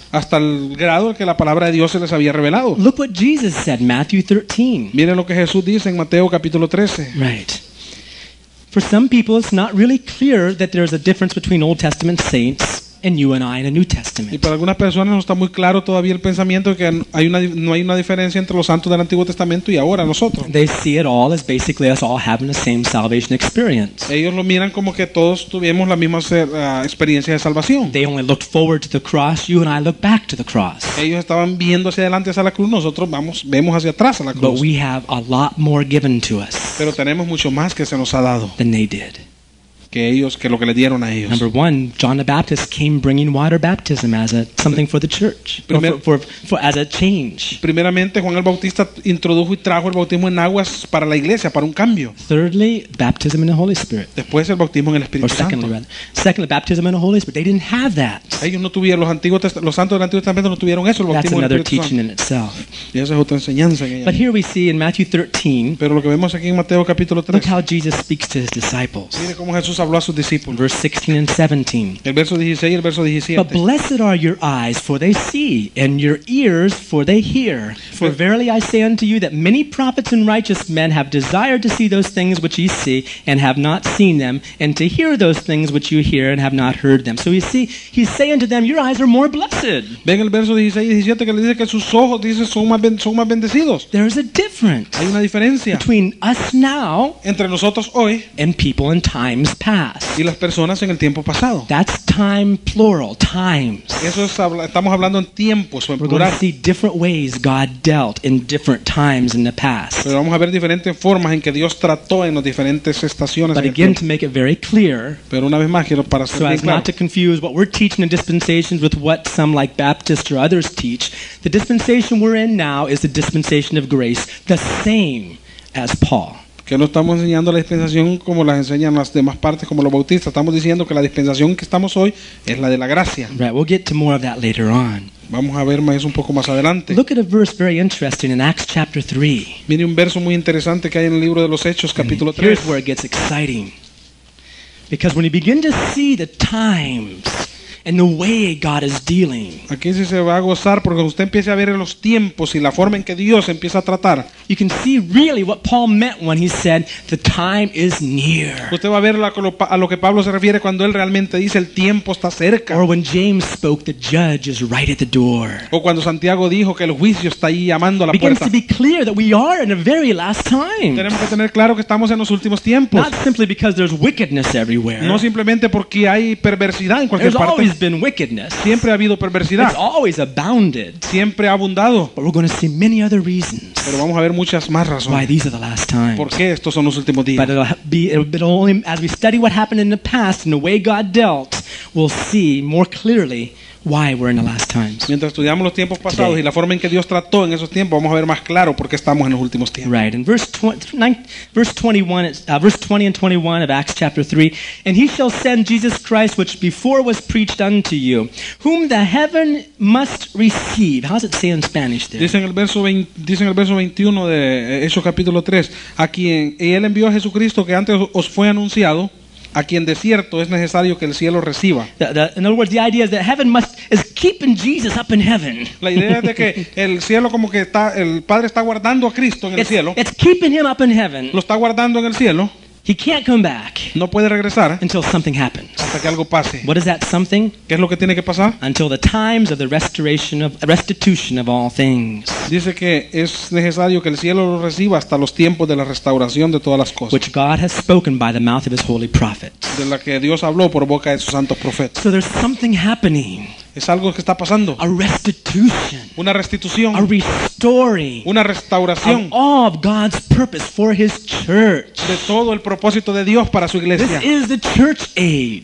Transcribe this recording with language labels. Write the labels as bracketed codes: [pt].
[es] Hasta el grado en que la palabra de Dios se les había revelado. [en] Look what Jesus said, Matthew 13. [es] Miren lo que Jesús dice en Mateo capítulo 13. [en] Right. For some people, it's not really clear that there is a difference between Old Testament saints and you and I in the New Testament. [es] Y para algunas personas no está muy claro todavía el pensamiento de que no hay una diferencia entre los santos del Antiguo Testamento y ahora nosotros. [en] They see it all as basically us all having the same salvation experience. [es] Ellos lo miran como que todos tuvimos la misma experiencia de salvación. [en] They only looked forward to the cross. You and I look back to the cross. [es] Ellos estaban viendo hacia adelante hacia la cruz. Nosotros vemos hacia atrás a la cruz. [en] But we have a lot more given to us. [es] Pero tenemos mucho más que se nos ha dado. [en] Than they did. [es] Que lo que le dieron a ellos. [en] Number one, John the Baptist came bringing water baptism as something for the church, as a change. [es] Primeramente, Juan el Bautista introdujo y trajo el bautismo en aguas para la iglesia, para un cambio. [en] Thirdly, baptism in the Holy Spirit. [es] Después, el bautismo en el Espíritu Santo. [en] Secondly, baptism in the Holy Spirit. They didn't have that. [es] Ellos no tuvieron los santos del Antiguo Testamento no tuvieron eso, el bautismo en el Espíritu Santo. [en] That's another teaching in itself. [es] Y esa es otra enseñanza. [en] But here we see in Matthew 13. [es] Pero lo que vemos aquí en Mateo capítulo 3. [en] Look how Jesus speaks to his disciples. [es] Mire cómo Jesús habló a sus discípulos. [en] Verse 16 and 17. [es] El verso 16 y el verso 17. [en] But blessed are your eyes, for they see, and your ears, for they hear. For verily I say unto you that many prophets and righteous men have desired to see those things which ye see and have not seen them, and to hear those things which you hear and have not heard them. So you see, he's saying to them, your eyes are more blessed. [es] Ven el verso 16 y 17 que le dice que sus ojos dice son más bendecidos. [en] There is a difference. [es] Hay una diferencia [en] between us now [es] entre nosotros hoy [en] and people in times past. [es] Y las personas en el tiempo pasado. [en] That's time plural, times. [es] Eso es, estamos hablando en tiempos, en plural. [en] We're going to see different ways God dealt in different times in the past. [es] Pero vamos a ver diferentes formas en que Dios trató en las diferentes estaciones. [en] But again, to make it very clear. [es] Pero una vez más quiero para hacer bien claro. [en] So as not to confuse what we're teaching in dispensations with what some like Baptists or others teach, the dispensation we're in now is the dispensation of grace, the same as Paul. [es] Que no estamos enseñando la dispensación como las enseñan las demás partes, como los bautistas. Estamos diciendo que la dispensación que estamos hoy es la de la gracia. [en] Right, we'll get to more of that later on. [es] Vamos a ver más un poco más adelante. [en] Look at a verse very interesting in Acts chapter 3. [es] Mire un verso muy interesante que hay en el libro de los Hechos, capítulo 3. [en] And here's where it gets exciting. Because when you begin to see the times and the way God is dealing. [es] Aquí sí se va a gozar porque usted empieza a ver en los tiempos y la forma en que Dios empieza a tratar. [en] You can see really what Paul meant when he said the time is near. [es] Usted va a ver a lo que Pablo se refiere cuando él realmente dice el tiempo está cerca. [en] Or when James spoke the judge is right at the door. [es] O cuando Santiago dijo que el juicio está ahí llamando a la puerta. [en] It begins to be clear that we are in the very last times. [es] Tenemos que tener claro que estamos en los últimos tiempos. [en] Not simply because there's wickedness everywhere. [es] No simplemente porque hay perversidad en cualquier [en] there's [es] parte. [en] Been wickedness. [es] Siempre ha habido perversidad. [en] It's always abounded. [es] Siempre ha abundado. [en] But we're going to see many other reasons. [es] Pero vamos a ver muchas más razones. [en] Why these are the last times. [es] ¿Por qué estos son los últimos días? [en] But it'll only as we study what happened in the past and the way God dealt, we'll see more clearly why we're in the last times. [es] Mientras estudiamos los tiempos pasados y la forma en que Dios trató en esos tiempos, vamos a ver más claro por qué estamos en los últimos tiempos. [en] Right. In verse 20 and 21 of Acts chapter 3, and he shall send Jesus Christ, which before was preached unto you, whom the heaven must receive. How does it say in Spanish there? [es] Dice en el verso 21 de Hechos capítulo 3, a quien él envió a Jesucristo que antes os fue anunciado, a quien de cierto es necesario que el cielo reciba. [en] In other words, the idea is that heaven is keeping Jesus up in heaven. [es] La idea es de que el cielo como que está, el Padre está guardando a Cristo en el cielo. [en] It's keeping him up in heaven. [es] Lo está guardando en el cielo. [en] He can't come back. [es] No puede regresar. [en] Until something happens. [es] Hasta que algo pase. [en] What is that something? [es] ¿Qué es lo que tiene que pasar? [en] Until the times of the restitution of all things. [es] Dice que es necesario que el cielo lo reciba hasta los tiempos de la restauración de todas las cosas. [en] Which God has spoken by the mouth of his holy prophets. [es] De la que Dios habló por boca de sus santos profetas. [en] So there's something happening. [es] Es algo que está pasando. [en] A restitution. [es] Una restitución. [en] A restoring. [es] Una restauración. [en] Of all of God's purpose for his church. [es] De todo el propósito de Dios para su iglesia. [en] This is the church age.